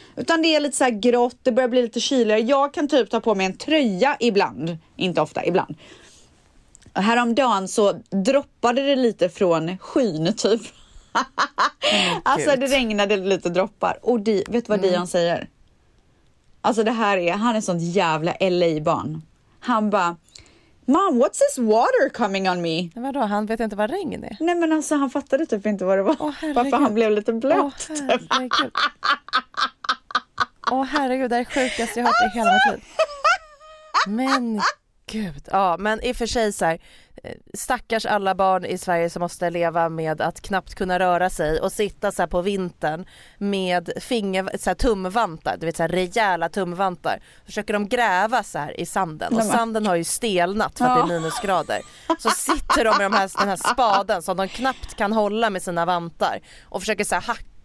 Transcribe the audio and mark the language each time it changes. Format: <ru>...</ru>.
<sv>Utan det är lite så här grått, det börjar bli lite kyligare. Jag kan typ ta på mig en tröja ibland, inte ofta, ibland. Och häromdagen så droppade det lite från skyn typ. Mm, alltså det regnade lite droppar. Och vet vad Dion säger? Alltså det här är, han är sånt jävla LA-barn. Han bara...</sv> <en>Mom, what's this water coming on me?</en> <sv>Vadå, han vet inte vad regn är. Nej, men alltså han fattade typ inte vad det var. Varför han blev lite blött. Åh herregud, det är sjukast jag har hört i hela mitt liv. Men gud, ja, men i och för sig så här, stackars alla barn i Sverige som måste leva med att knappt kunna röra sig och sitta så här på vintern med tumvantar, du vet, så här rejäla tumvantar, försöker de gräva så här i sanden, och sanden har ju stelnat för att det är minusgrader, så sitter de med den här spaden som de knappt kan hålla med sina vantar och försöker så här hacka.</sv>